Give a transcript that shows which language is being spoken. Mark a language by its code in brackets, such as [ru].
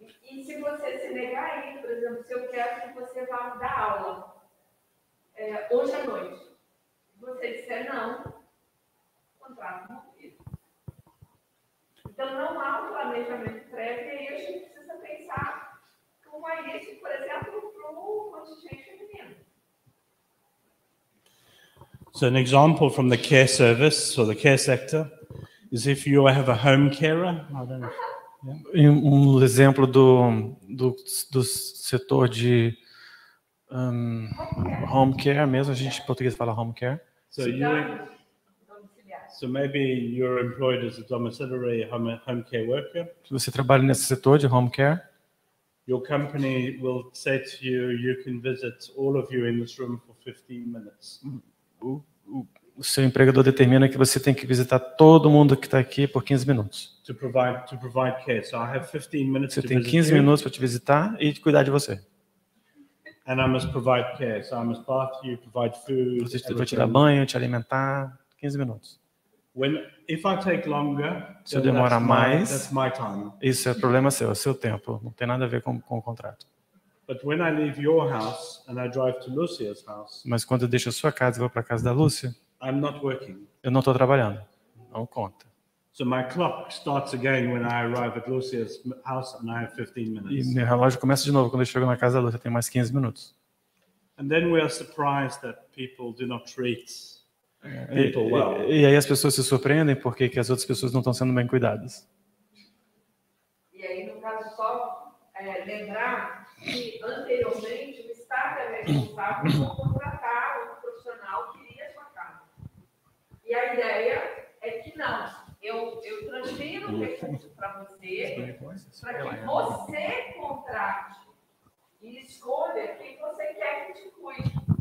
[pt] E se você se negar aí, por exemplo, se eu quero que você vá dar aula hoje à noite, você disser não, contrato rompido. Então, não há um planejamento prévio e aí a gente precisa pensar como é isso, por exemplo, para o contingente. [en] So an example from the care service or the care sector is if you have a home carer. I don't know. Yeah. [pt] Exemplo do setor de home care mesmo, a gente em português fala home care. [en] So maybe you're employed as a domiciliary home care worker. [pt] Se você trabalha nesse setor de home care, [en] your company will say to you, you can visit all of you in this room for 15 minutes. [pt] O seu empregador determina que você tem que visitar todo mundo que está aqui por 15 minutos. [en] To provide care. So I have 15 minutes. [pt] Você tem 15 minutos para te visitar e cuidar de você. [en] And I must provide care. So I must bath you, provide food. [pt] Você vai te dar banho, te alimentar, 15 minutos. [en] If I take longer, [pt] se eu demorar mais, [en] that's my time. [pt] Isso é problema seu, é seu tempo. Não tem nada a ver com o contrato. [en] But when I leave your house and I drive to Lucia's house, [pt] mas quando eu deixo a sua casa e vou para a casa da Lúcia, [en] I'm not working. [pt] Eu não estou trabalhando. Não conta. [en] So my clock starts again when I arrive at Lucia's house and I have 15 minutes. [pt] E meu relógio começa de novo quando eu chego na casa da Lúcia, tem mais 15 minutos. [en] And then we are surprised that people do not treat people well. [pt] E aí as pessoas se surpreendem porque que as outras pessoas não estão sendo bem cuidadas. E aí no caso só lembrar que anteriormente o Estado era responsável por contratar o profissional que iria à sua casa. E a ideia é que não, eu transfiro o recurso para você, para que você contrate e escolha quem você quer que te cuide.